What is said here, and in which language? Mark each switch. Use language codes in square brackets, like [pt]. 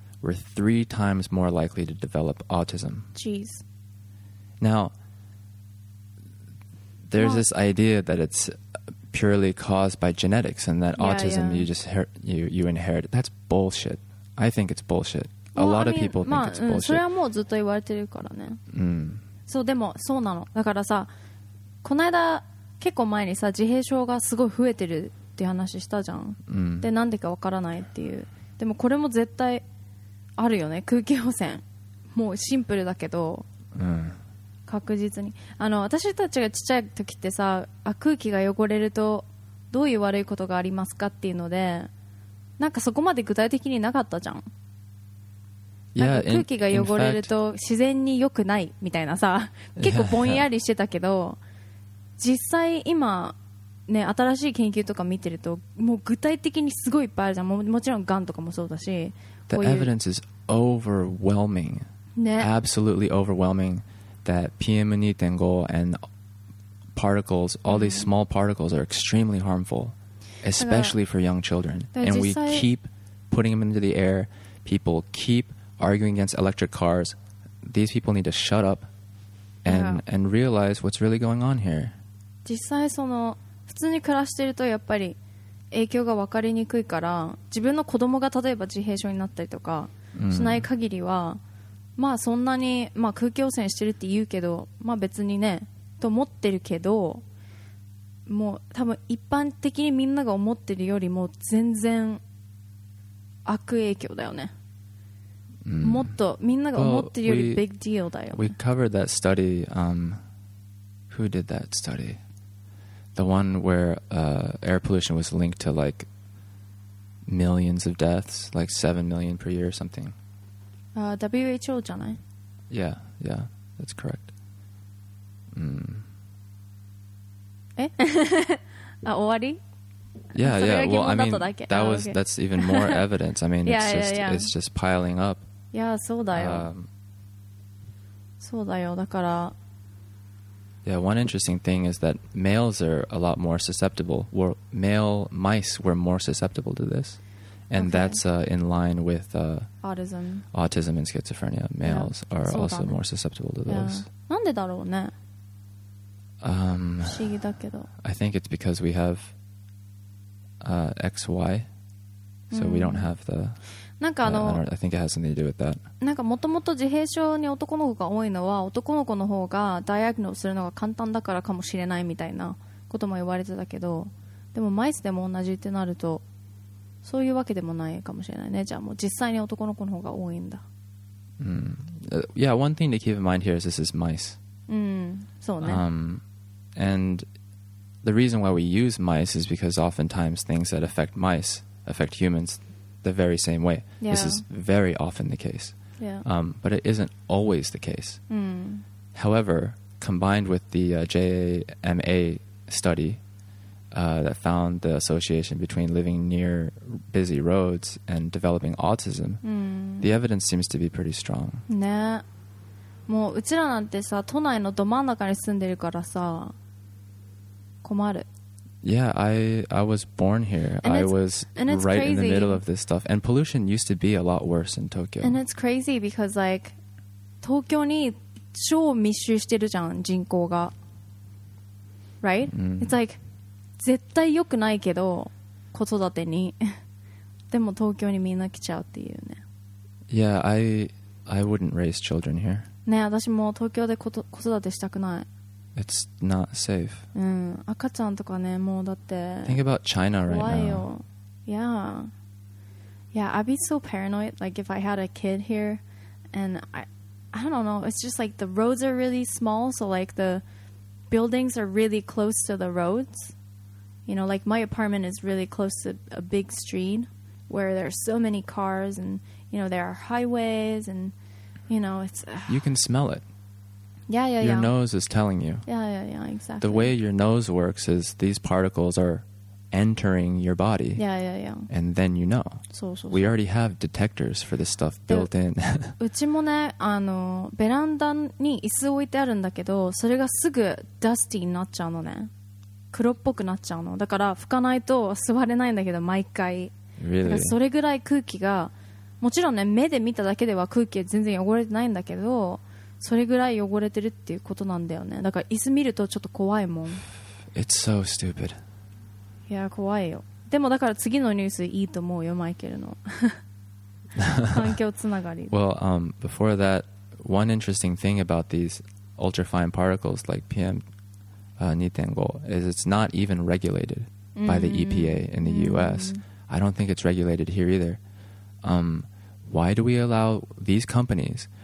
[en] were 3 times more likely to develop autism. Jeez. Now, there's this idea that it's purely caused by genetics and that autism you just you inherit. That's bullshit. I think it's bullshit. A lot of people think it's bullshit. [ja] それはもうずっと言われてるからね。そう、でもそうなの。だからさ、この間結構前にさ、自閉症がすごい増えてるって話したじゃん。で、なんでかわからないっていう。でもこれも絶対あるよね。空気汚染もうシンプルだけど、確実に、あの、私たちがちっちゃい時ってさ、あ、空気が汚れるとどういう悪いことがありますかっていうので、なんかそこまで具体的になかったじゃん。なんか空気が汚れると自然に良くないみたいなさ、結構ぼんやりしてたけど、実際今ね、新しい研究とか見てるともう具体的にすごいいっぱいあるじゃん。もちろんがんとかもそうだし、こういう [en] The evidence is overwhelming、 [ja] ね、 [en] Absolutely overwhelming that PM2.5 and particles, all these small particles are extremely harmful, especially for young children. And we keep putting them into the air. People keep arguing against electric cars. These people need to shut up and realize what's really going on here. [ja] 実際その普通に暮らしているとやっぱり影響が分かりにくいから、自分の子供が例えば自閉症になったりとかしない限りは、まあそんなに、まあ、空気汚染してるって言うけど、まあ別にねと思ってるけど、もう多分一般的にみんなが思ってるよりも全然悪影響だよね、もっとみんなが思ってるよりビッグディールだよね。 [en] We covered that study、Who did that study? The one where、air pollution was linked to like millions of deaths, like 7 million per year or something、 [ja] WHO じゃない? [en] Yeah, yeah, that's correct、 [ja] あ、終わり? [en] Yeah, yeah, well, I mean, that was, that's even more evidence. I mean, it's, yeah. it's just piling up. Yeah, [ja] そうだよ。そうだよ、だから。 [en] Yeah, one interesting thing is that males are a lot more susceptible. Well, male mice were more susceptible to this. And that's in line with autism and schizophrenia. Males are also more susceptible to those. [ja] なんでだろうね。不思議だけど。 [en] I think it's because we have XY, so we don't have the... [ja] なんか [en] I think it has something to do with that. [ja] なんかもともと自閉症に男の子が多いのは、男の子の方がダイアグノーするのが簡単だからかもしれないみたいなことも言われてたけど、でもマイスでも同じってなると、そういうわけでもないかもしれないね。じゃあもう実際に男の子の方が多いんだ。 [en] Yeah, one thing to keep in mind here is this is mice. [ja] そうね。 [en] And the reason why we use mice is because oftentimes things that affect mice affect humans the very same way. Yeah. This is very often the case. Yeah. But it isn't always the case. However, combined with the JAMA study that found the association between living near busy roads and developing autism, the evidence seems to be pretty strong. Yeah. [ja] もううちらなんてさ、都内のど真ん中に住んでるからさ、困る。 [en] Yeah, I was born here. I was right in the middle of this stuff. And pollution used to be a lot worse in Tokyo. And it's crazy because like, [ja] 東京に超密集してるじゃん、人口が。 [en] Right? It's like, [ja] 絶対良くないけど、子育てに。でも東京にみんな来ちゃうっていうね。 [en] Yeah, I wouldn't raise children here. [ja] ね、私も東京で子育てしたくない。 [en] It's not safe. [ja] うん、赤ちゃんとかね、もうだって。 [en] Think about China right now. [ja] 怖いよ。 [en] Yeah. Yeah, I'd be so paranoid, like if I had a kid here, and I don't know. It's just like the roads are really small, so like the buildings are really close to the roads. You know, like my apartment is really close to a big street where there are so many cars, and you know there are highways andYou know, it's... You can smell it. Yeah, yeah, yeah. Your nose is telling you. Yeah, yeah, yeah, exactly. The way your nose works is these particles are entering your body. Yeah, yeah, yeah. And then you know. [ja] そうそうそう。 [en] We already have detectors for this stuff built in. [ja] うちもね、ベランダに椅子置いてあるんだけど、それがすぐダスティーになっちゃうのね。黒っぽくなっちゃうの。だから拭かないと座れないんだけど、毎回。 [en] Really? [ja] それぐらい空気が、もちろんね、目で見ただけでは空気は全然汚れてないんだけど、それぐらい汚れてるっていうことなんだよね。だから椅子見るとちょっと怖いもん。 [en] It's so stupid. [ja] いや、怖いよ。でもだから次のニュースいいと思うよ、マイケルの。環境つながり。 [en] Well, before that, one interesting thing about these ultra-fine particles like PM 2.5 is it's not even regulated by the EPA in the US. I don't think it's regulated here either. Why do we allow these companies?